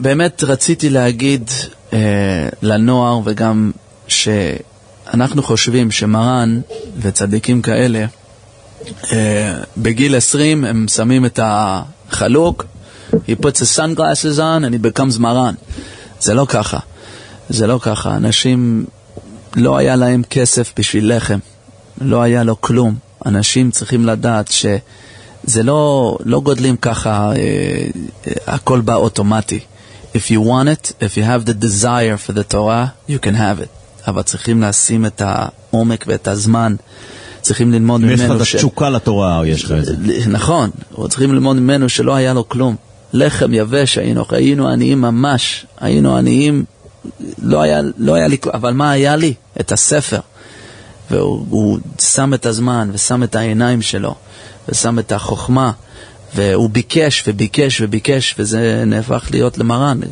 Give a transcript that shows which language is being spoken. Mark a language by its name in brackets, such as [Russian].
[Hebrew] באמת רציתי להגיד לנוער, וגם שאנחנו חושבים שמרן וצדיקים כאלה בגיל 20 הם שמים את החלוק, [English] he puts his sunglasses on and he becomes [Hebrew] מרן. זה לא ככה, זה לא ככה. אנשים לא היה להם כסף בשביל לחם, לא היה לו כלום. אנשים צריכים לדעת שזה לא גודלים ככה, הכל בא אוטומטי. [English] If you want it, if you have the desire for the Torah, you can have it. [Hebrew] אבל צריכים לשים את העומק ואת הזמן, צריכים ללמוד ממנו. יש לך את התשוקה לתורה, או יש לך את זה? נכון, צריכים ללמוד ממנו שלא היה לו כלום. לחם יבש היינו, היינו עניים ממש, היינו עניים. לא היה לי, אבל מה היה לי? את הספר. והוא שם את הזמן, ושם את העיניים שלו, ושם את החוכמה, והוא ביקש וביקש וביקש, וזה נהפך להיות למרן.